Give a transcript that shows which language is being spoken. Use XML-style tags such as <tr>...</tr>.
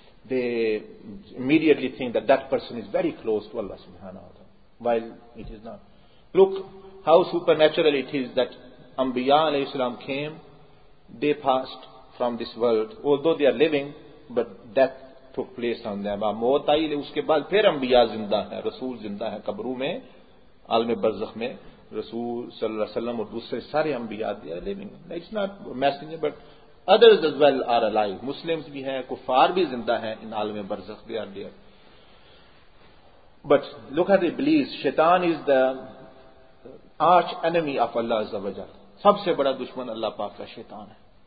<en>They immediately think that that person is very close to Allah subhanahu wa ta'ala, while it is not. Look how supernatural it is that Anbiya alayhi salam came, they passed from this world, although they are living, but death took place on them.</en> <ur>موت آئی لے اس کے بعد پھر انبیاء زندہ ہیں, رسول زندہ ہیں قبروں میں, عالم برزخ میں رسول صلی اللہ علیہ وسلم اور دوسرے سارے انبیاء</ur> <en>they are living. It's not messenger, but others as well are alive.</en> <ur>Muslims بھی ہیں, کفار بھی زندہ ہیں ان عالم برزخ,</ur> <en>they are there. But look at Iblis, شیطان is the arch enemy of Allah عز و جل.</en> <ur>سب سے بڑا دشمن اللہ پاک کا شیطان ہے.</ur>